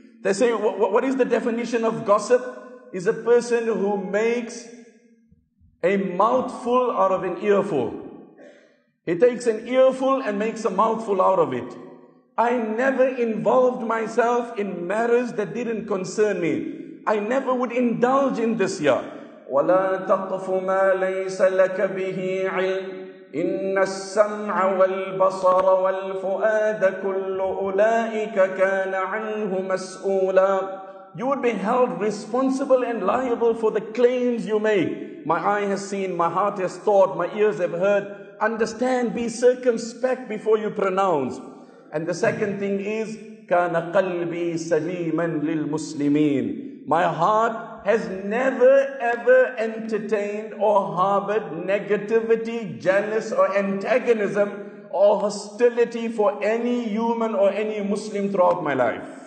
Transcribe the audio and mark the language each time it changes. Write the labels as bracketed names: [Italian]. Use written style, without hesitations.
[English] They say, what is the definition of gossip? Is a person who makes a mouthful out of an earful. He takes an earful and makes a mouthful out of it. I never involved myself in matters that didn't concern me. I never would indulge in this year. [Arabic] وَلَا تَقْفُ مَا لَيْسَ لَكَ بِهِ عِلْمٍ إِنَّ السَّمْعَ وَالْبَصَرَ وَالْفُؤَادَ كُلُّ أُولَٰئِكَ كَانَ عَنْهُ مَسْئُولًا [English] You would be held responsible and liable for the claims you make. My eye has seen, my heart has thought, my ears have heard. Understand, be circumspect before you pronounce. And the second thing is, [Arabic] كَانَ قَلْبِي سَلِيمًا لِلْمُسْلِمِينَ [English] My heart has never ever entertained or harbored negativity, jealous or antagonism or hostility for any human or any Muslim throughout my life.